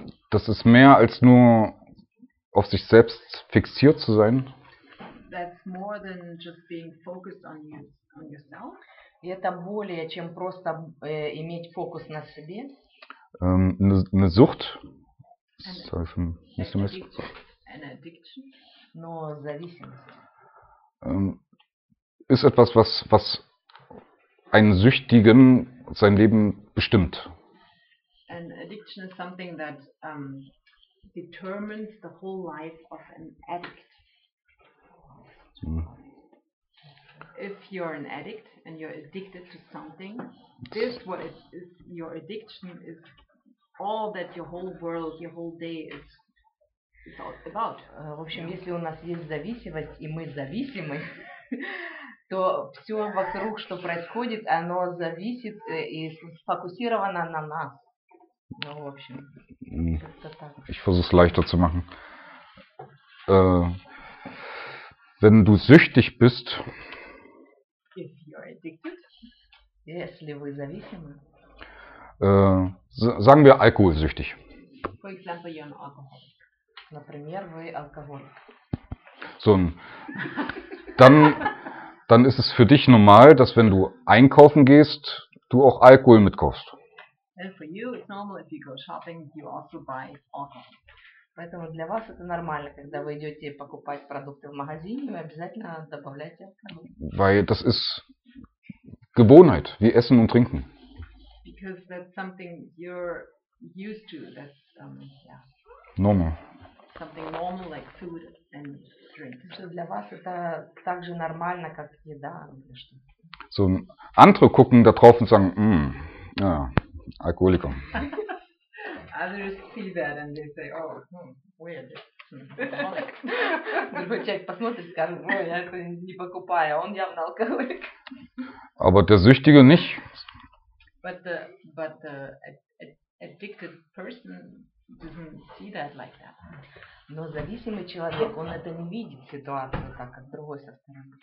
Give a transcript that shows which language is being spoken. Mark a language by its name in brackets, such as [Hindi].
[German] Das ist mehr als nur auf sich selbst fixiert zu sein. [English] That's more than just being focused on you, on yourself. [Russian] И это более, чем просто иметь фокус на себе. [German] Eine Sucht. [English] Sorry for missing this. An addiction? [Russian] Но зависимость. [German] Ist etwas, was einen Süchtigen sein Leben bestimmt. [English] An addiction is something that determines the whole life of an addict. If you're an addict and you're addicted to something, this what it is, your addiction is all that your whole world, your whole day is about. [Russian] В общем, если у нас есть зависимость и мы зависимы, то все вокруг, что происходит, оно зависит и сфокусировано на нас. Ну, в общем, [German] Ich versuch's leichter zu machen. Wenn du süchtig bist, [English] if you're addicted, [Russian] если вы зависимы, [German] sagen wir alkoholsüchtig. [English] For example, you're an alcoholic. [Russian] Например, вы алкоголик. [German] So, dann ist es für dich normal, dass wenn du einkaufen gehst, du auch Alkohol mitkaufst. [English] And for you, it's normal if you go shopping, you also buy alcohol. [Russian] Поэтому для вас это нормально, когда вы идете покупать продукты в магазине, вы обязательно добавляете алкоголь. [German] Weil das ist Gewohnheit, wie essen und trinken. [English] Because that's something you're used to, that's normal. Something normal like food and drink. [Russian] Что для вас это так же нормально, как еда или что? [German] So, andere gucken da drauf und sagen, ja, Alkoholiker. [English] Others see that and they say, oh, weird. [Russian] Другой человек посмотрит и скажет, ой, я это не покупаю, он явно алкоголик. [German] Aber der Süchtige nicht. [English] But the addicted person doesn't see that like that. [Russian] Но зависимый человек, он это не видит ситуацию так, как другой со стороны.